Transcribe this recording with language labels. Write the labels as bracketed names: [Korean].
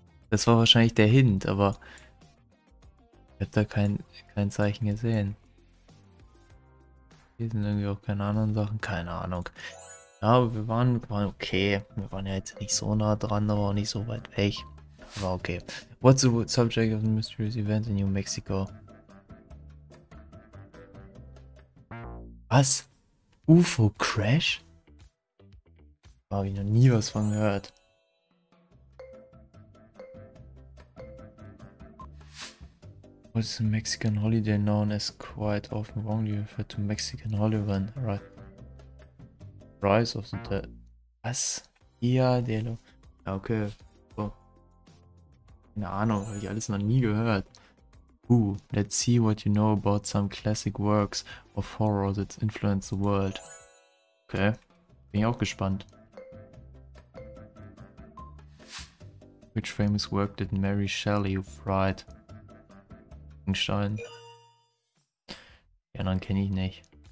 [German] Das war wahrscheinlich der Hint, aber ich hab da kein Zeichen gesehen. Hier sind irgendwie auch keine anderen Sachen. Keine Ahnung. Ja, aber wir waren okay. Wir waren ja jetzt nicht so nah dran, aber auch nicht so weit weg. Aber okay. [English] What's the subject of the mysterious event in New Mexico? [German] Was? UFO Crash? Da habe ich noch nie was von gehört. [English] What is the Mexican holiday known as quite often wrongly referred to Mexican Halloween? Right. Rise of the. [German] Was? Ja, der. Ja, okay. Keine Ahnung, habe ich alles noch nie gehört. [English] Let's see what you know about some classic works of horror that influence the world. [German] Okay, bin ich auch gespannt. [English] Which famous work did Mary Shelley write? Frankenstein. [German] Ja, dann kenne ich nicht.